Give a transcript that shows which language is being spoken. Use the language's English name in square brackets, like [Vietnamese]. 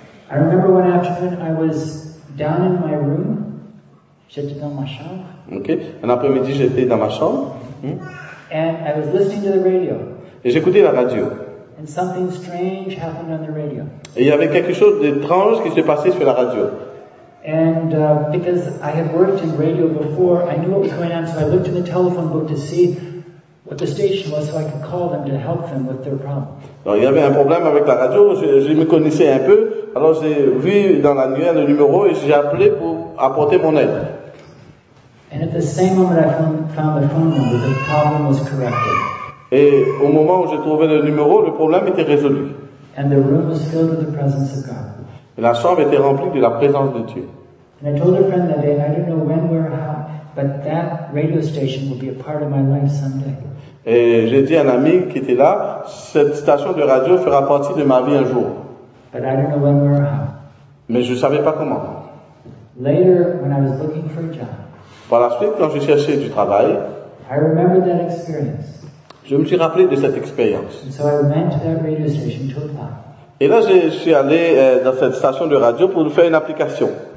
[English] I remember one afternoon I was down in my room. [French] J'étais dans ma chambre. Okay. Un après-midi j'étais dans ma chambre. [English] And I was listening to the radio. [French] Et j'écoutais la radio. [English] And something strange happened on the radio. [French] Et il y avait quelque chose d'étrange qui s'est passé sur la radio. [English] And because I had worked in radio before, I knew what was going on, so I looked in the telephone book to see what the station was, so I could call them to help them with their problem. [French] Alors, il y avait un problème avec la radio. Je me connaissais un peu, alors j'ai vu dans la nuit le numéro et j'ai appelé pour apporter mon aide. [English] And at the same moment, I found the phone number. The problem was corrected. [French] Et au moment où j'ai trouvé le numéro, le problème était résolu. [English] And the room was filled with the presence of God. [French] Et la chambre était remplie de la présence de Dieu. [English] And I told a friend that day, I don't know when, where, how, but that radio station will be a part of my life someday. [French] Et j'ai dit à un ami qui était là, cette station de radio fera partie de ma vie un jour. [English] But I don't know when, where, how. [French] Mais je ne savais pas comment. [English] Later, when I was looking for a job. [French] Par la suite, quand je cherchais du travail, [English] I remembered that experience. [French] Je me suis rappelé de cette expérience. [English] And so I went to that radio station to apply. [French] Et là, je suis allé dans cette station de radio pour faire une application.